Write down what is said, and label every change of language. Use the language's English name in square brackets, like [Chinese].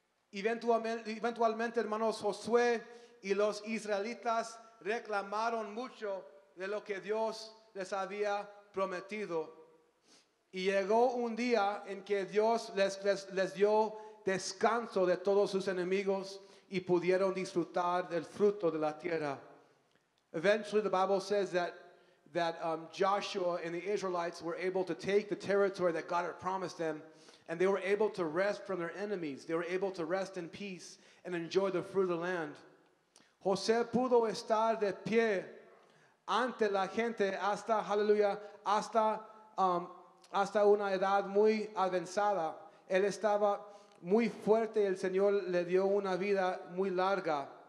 [Spanish] Eventualmente, hermanos, Josué y los israelitas reclamaron mucho de lo que Dios les había prometido. Y llegó un día en que Dios les dio descanso de todos sus enemigos y pudieron disfrutar del fruto de la tierra. [English] Eventually, the Bible says that Joshua and the Israelites were able to take the territory that God had promised them. And they were able to rest from their enemies. They were able to rest in peace and enjoy the fruit of the land. [Spanish] José pudo estar de pie ante la gente hasta, aleluya, hasta una edad muy avanzada. Él estaba muy fuerte y el Señor le dio una vida muy larga.